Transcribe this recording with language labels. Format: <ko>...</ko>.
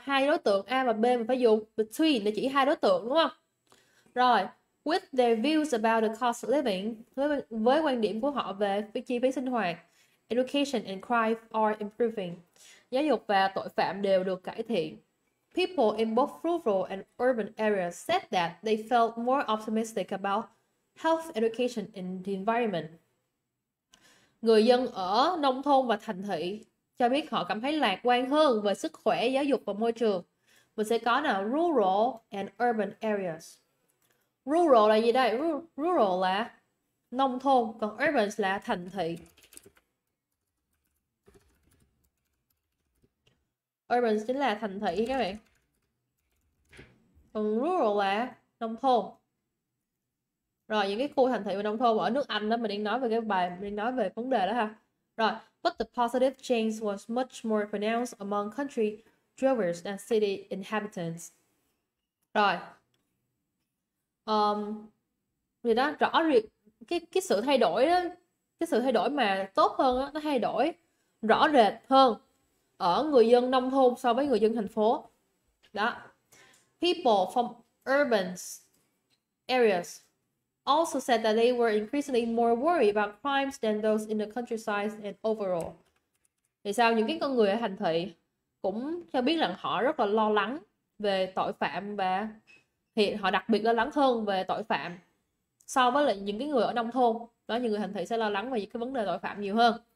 <vi>Hai đối tượng A và B mình phải dùng between để chỉ hai đối tượng đúng không?</vi> <en>Rồi, with their views about the cost of living, với quan điểm của họ về cái chi phí sinh hoạt, education and crime are improving.</en> <vi>Giáo dục và tội phạm đều được cải thiện.</vi> <en>People in both rural and urban areas said that they felt more optimistic about health, education and the environment.</en> <vi>Người dân ở nông thôn và thành thị cho biết họ cảm thấy lạc quan hơn về sức khỏe, giáo dục và môi trường. Mình sẽ có nào rural and urban areas. Rural là gì đây? Rural là nông thôn, còn urban là thành thị. Urban chính là thành thị các bạn. Còn rural là nông thôn. Rồi những cái khu thành thị và nông thôn ở nước Anh đó mình đang nói về cái bài mình đang nói về vấn đề đó ha.</vi> <en>Rồi, but the positive change was much more pronounced among country dwellers than city inhabitants.</en> <vi>Rồi. Thì đó rõ rệt cái sự thay đổi đó, cái sự thay đổi mà tốt hơn đó, nó thay đổi rõ rệt hơn ở người dân nông thôn so với người dân thành phố. Đó.</vi> <en>People from urban areas also said that they were increasingly more worried about crimes than those in the countryside and overall.</en> <vi>Thì sao những cái con người ở thành thị cũng cho biết rằng họ rất là lo lắng về tội phạm và hiện họ đặc biệt lo lắng hơn về tội phạm so với lại những cái người ở nông thôn. Đó những người thành thị sẽ lo lắng về những cái vấn đề tội phạm nhiều hơn.</vi>